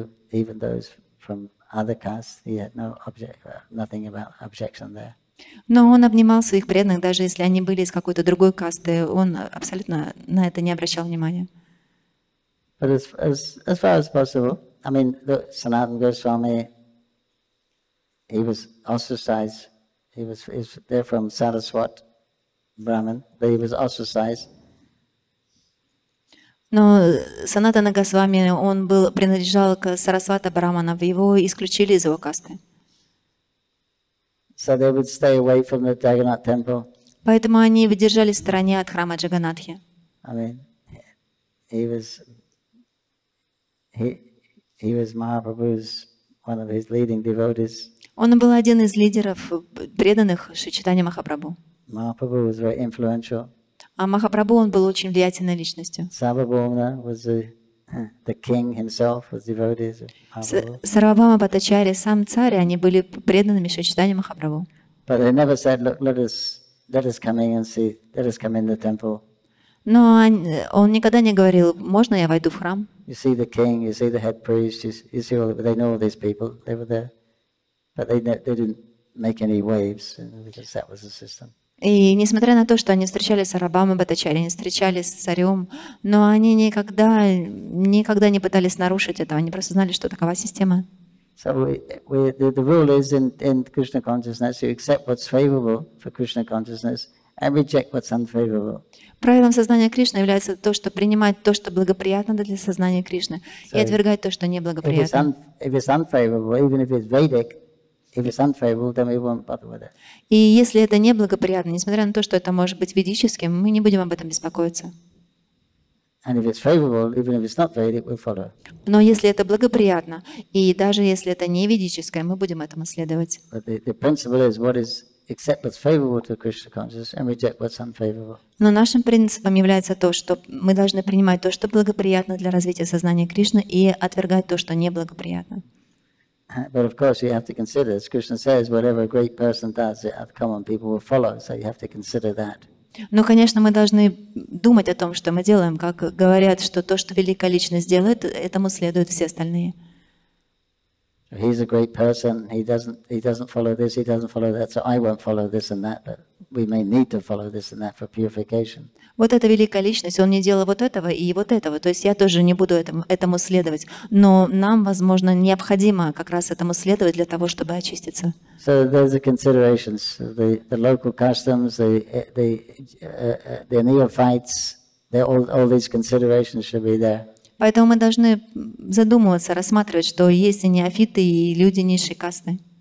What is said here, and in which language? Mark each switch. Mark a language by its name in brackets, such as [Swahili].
[English] Even those from other castes, he had nothing about objection there. [Russian] Но он обнимал своих преданных, даже если они были из какой-то другой касты, он абсолютно на это не обращал внимания. [English] But as far as possible, I mean, look, Sanatana Goswami, he was ostracized. He was there from Saraswat Brahmin, but he was ostracized. [Russian] Но Санатана Госвами, он принадлежал к Сарасвата Брахманам, его исключили из его касты. [English] So they would stay away from the Jagannath temple. [Russian] Поэтому они выдержались в стороне от храма Джаганатхи. [English] I mean, he was Mahaprabhu's one of his leading devotees. [Russian] Он был один из лидеров преданных Шри Чайтанья Махапрабху. [English] Mahaprabhu was very influential. [Russian] А Махапрабху, он был очень влиятельной личностью. [English] Сарвабхаума was the king himself, was devotees of Mahaprabhu. [Russian] Сарвабхаума Бхаттачарья, сам царь, они были преданными Шри Чайтанья Махапрабху. [English] But they never said, look at us, let us come in and see, let us come in the temple. [Russian] Но он никогда не говорил, можно я войду в храм? [English] You see the king, you see the head priest, you see all, they know all these people, they were there. But they didn't make any waves, because that was the system. [Russian] И несмотря на то, что они встречались с Арабами, Батачари, они встречались с царем, но они никогда не пытались нарушить этого, они просто знали, что такова система. [English] So the rule is in Krishna consciousness, you accept what's favorable for Krishna consciousness and reject what's unfavorable. [Russian] Правилом сознания Кришны является то, что принимать то, что благоприятно для сознания Кришны, и отвергать то, что неблагоприятно. [English] If it's unfavorable, even if it's Vedic, if it's unfavorable, then we won't bother with it. [Russian] И если это неблагоприятно, несмотря на то, что это может быть ведическим, мы не будем об этом беспокоиться. [English] And if it's favorable, even if it's not Vedic, we'll follow. [Russian] Но если это благоприятно, и даже если это не ведическое, мы будем этому следовать. [English] But the principle is what is accept what's favorable to Krishna consciousness and reject what's unfavorable. [Russian] Но нашим принципом является то, что мы должны принимать то, что благоприятно для развития сознания Кришны, и отвергать то, что неблагоприятно. [English] But of course, you have to consider, as Krishna says, whatever a great person does, the common people will follow. So you have to consider that. [Russian] Но, конечно, мы должны думать о том, что мы делаем, как говорят, что то, что великая личность делает, этому следуют все остальные. [English] He's a great person. He doesn't follow this. He doesn't follow that. So I won't follow this and that. But we may need to follow this and that for purification. [Russian] Вот эта великая личность, он не делал вот этого и вот этого. То есть я тоже не буду этому следовать. Но нам, возможно, необходимо как раз этому следовать для того, чтобы очиститься. [English] So there's the considerations, the local customs, the neophytes. All these considerations should be there. [Russian] Поэтому мы должны задумываться, рассматривать, что есть и неофиты, и люди низшей касты.